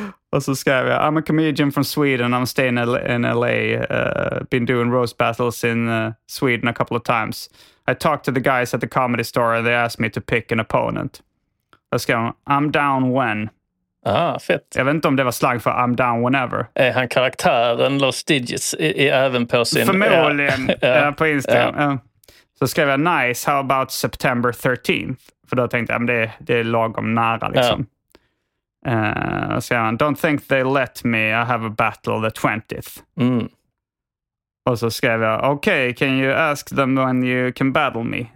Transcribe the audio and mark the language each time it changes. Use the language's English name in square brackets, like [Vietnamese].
[Swedish] Och så skrev jag, [English] I'm a comedian from Sweden, I'm staying in LA, been doing roast battles in Sweden a couple of times. I talked to the guys at the comedy store and they asked me to pick an opponent. [Swedish] Jag skrev, [English] I'm down when. [Swedish] Ah, fett. Jag vet inte om det var slang för [English] I'm down whenever. [Swedish] Är han karaktären Lost Digits även på sin... Förmodligen, på Instagram. Ja. Så skrev jag, [English] nice, how about September 13th? [Swedish] För då tänkte jag, det är lagom nära liksom. Ja. Så skrev han, [English] don't think they let me, I have a battle the 20th. Mm. [Swedish] Och så skrev jag, [English] okay, can you ask them when you can battle me?